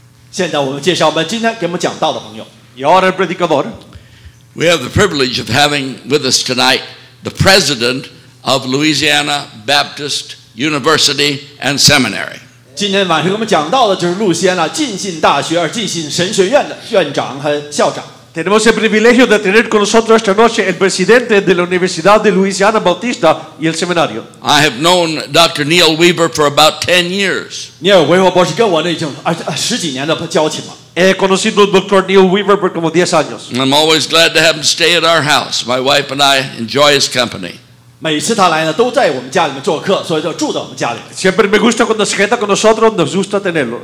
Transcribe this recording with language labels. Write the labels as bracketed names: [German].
[Chinese] 现在我们介绍我们今天给我们讲道的朋友。 [English] You're a pretty good one. We have the privilege of having with us tonight the president of Louisiana Baptist University and Seminary. [Chinese] 今天晚上给我们讲到的就是路西安纳浸信大学而浸信神学院的院长和校长。 [Spanish] Tenemos el privilegio de tener con nosotros esta noche el presidente de la Universidad de Louisiana Baptista y el Seminario. [English] I have known Dr. Neil Weaver for about 10 years. [Chinese] Neil Weaver 博士跟我已经十几年的交情了。 [Spanish] He conocido al Dr. Neil Weaver por como 10 años. [English] I'm always glad to have him stay at our house. My wife and I enjoy his company. [Chinese] 每次他来呢，都在我们家里面做客，所以就住在我们家里。 [Spanish] Siempre me gusta cuando se queda con nosotros, nos gusta tenerlo.